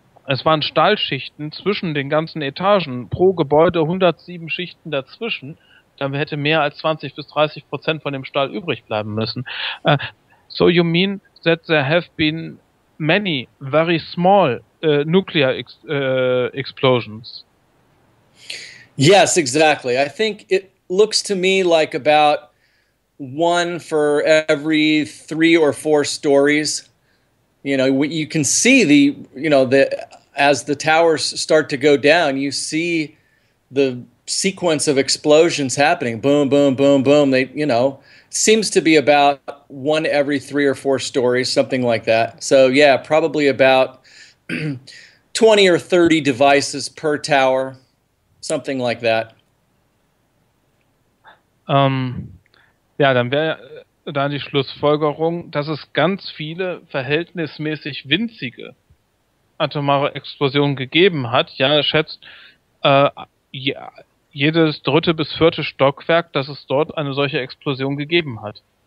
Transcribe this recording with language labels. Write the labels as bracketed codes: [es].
[de] Es waren Stahlschichten zwischen den ganzen Etagen, pro Gebäude 107 Schichten dazwischen. Dann hätte mehr als 20-30% von dem Stahl übrig bleiben müssen. [en] So you mean that there have been many very small nuclear explosions? Yes, exactly. I think it looks to me like about one for every three or four stories. You know, you can see as the towers start to go down, you see the sequence of explosions happening. Boom, boom, boom, boom. They, you know, seems to be about one every three or four stories, something like that. So yeah, probably about 20 or 30 devices per tower, something like that. [de] Ja, dann wäre da die Schlussfolgerung, dass es ganz viele verhältnismäßig winzige atomare Explosionen gegeben hat. Ja, schätzt jedes dritte bis vierte Stockwerk, dass es dort eine solche Explosion gegeben hat.